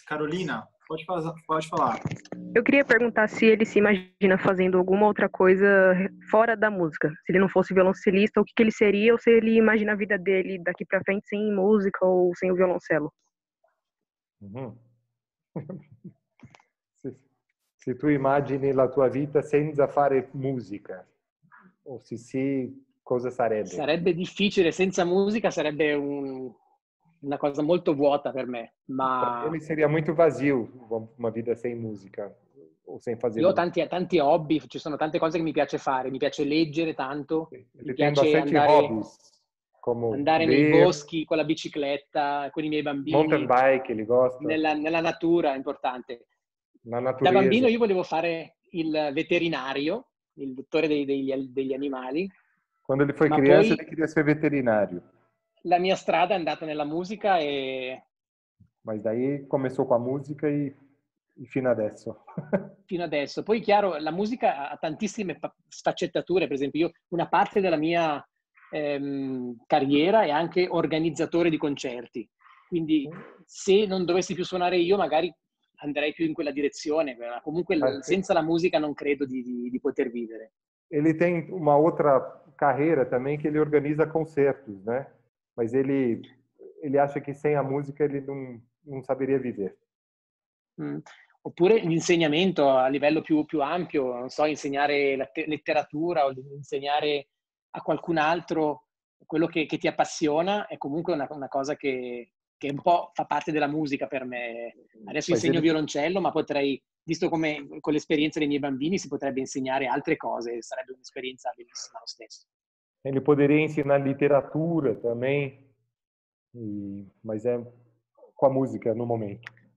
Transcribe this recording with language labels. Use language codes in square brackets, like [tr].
[pt] Carolina, pode falar. Eu queria perguntar se ele se imagina fazendo alguma outra coisa fora da música. Se ele não fosse violoncelista, o que ele seria? Ou se ele imagina a vida dele daqui pra frente sem música ou sem o violoncelo? [it] Se tu imagini la tua vita senza fare musica, o se sì, cosa sarebbe? Sarebbe difficile, senza musica sarebbe una cosa molto vuota per me, ma... Per me sarebbe molto vazio una vita senza musica, o senza fare musica. Io ho tanti hobby, ci sono tante cose che mi piace fare, mi piace leggere tanto, mi piace andare... [pt] Hobby. Como [it] andare nei boschi con la bicicletta, con i miei bambini. [pt] Mountain bike, li gosto. [it] Nella natura, è importante. La natura. Da bambino io volevo fare il veterinario, il dottore degli animali. [pt] Quando ele foi criança, ele queria ser veterinario. [it] La mia strada è andata nella musica e... [pt] Ma daí começou com a musica e [it] fino adesso. Fino adesso. Poi, chiaro, la musica ha tantissime sfaccettature. Per esempio, io una parte della mia... carriera e anche organizzatore di concerti, quindi se non dovessi più suonare io magari andrei più in quella direzione, ma comunque senza la musica non credo di poter vivere. [pt] Ele tem uma outra carreira também que ele organiza concertos, né? Mas ele acha que sem a música ele não saberia viver. [it] Oppure l'insegnamento a livello più ampio, non so, insegnare la letteratura o insegnare a qualcun altro quello che ti appassiona è comunque una cosa che un po' fa parte della musica per me. Adesso insegno violoncello, ma potrei, visto come con l'esperienza dei miei bambini, si potrebbe insegnare altre cose, sarebbe un'esperienza bellissima lo stesso. [pt] Ele poderia ensinar literatura também, mas é com a música no momento.